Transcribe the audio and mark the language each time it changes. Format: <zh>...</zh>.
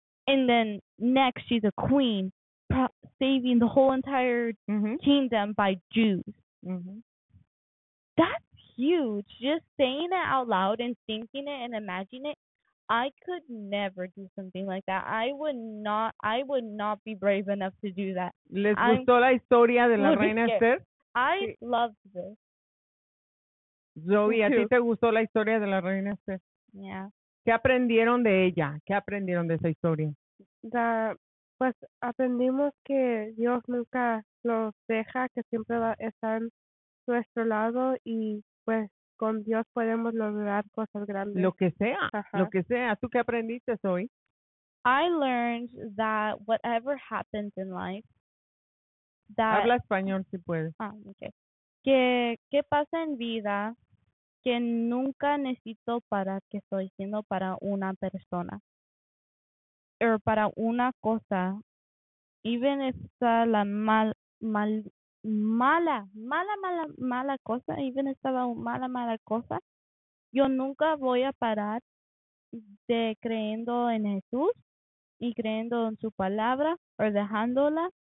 <en>And then next, she's a queen, saving the whole entire kingdom by Jews. Mm-hmm. That's huge. Just saying it out loud and thinking it and imagining it. I could never do something like that. I would not be brave enough to do that.</en> <es>¿Les gustó la historia de la reina Esther?</es> <en>I love this.</en> <es>Zoe, ¿a ti te gustó la historia de la reina Esther?</es> <en>Yeah.</en> <es>¿Qué aprendieron de ella? ¿Qué aprendieron de esa historia?</es> <en>That</en> <es>pues aprendimos que Dios nunca los deja, que siempre va a estar a nuestro lado y pues con Dios podemos lograr cosas grandes. Lo que sea, lo que sea. ¿Tú qué aprendiste hoy?</es> <en>I learned that whatever happens in life, that...</en> <es>Habla español si puedes.</es> <en>Ah, okay.</en> <es>Que pasa en vida, que nunca necesito parar, que estoy siendo para una persona.</es> <en>Or</en> <es>para una cosa,</es> <en>even if</en> <es>está la mala cosa, even if estaba mala cosa, yo nunca voy a parar de creyendo en Jesús y creyendo en su palabra o dejándola.</es>